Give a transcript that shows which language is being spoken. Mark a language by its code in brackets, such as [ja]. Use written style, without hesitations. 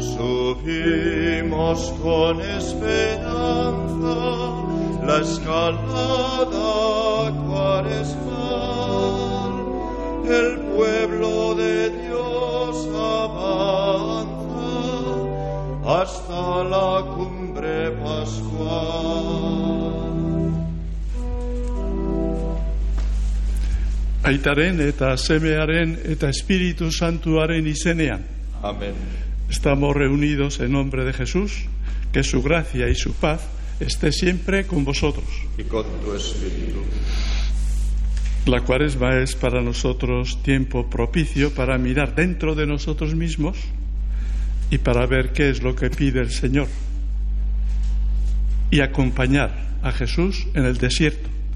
[es] Subimos con esperanza la escalada cuaresmal. El pueblo de Dios avanza hasta la cumbre pascual. [eu] Aitaren eta semearen eta Espíritu Santuaren izenean. [es] Amén. Estamos reunidos en nombre de Jesús, que su gracia y su paz esté siempre con vosotros. Y con tu espíritu. La cuaresma es para nosotros tiempo propicio para mirar dentro de nosotros mismos y para ver qué es lo que pide el Señor y acompañar a Jesús en el desierto.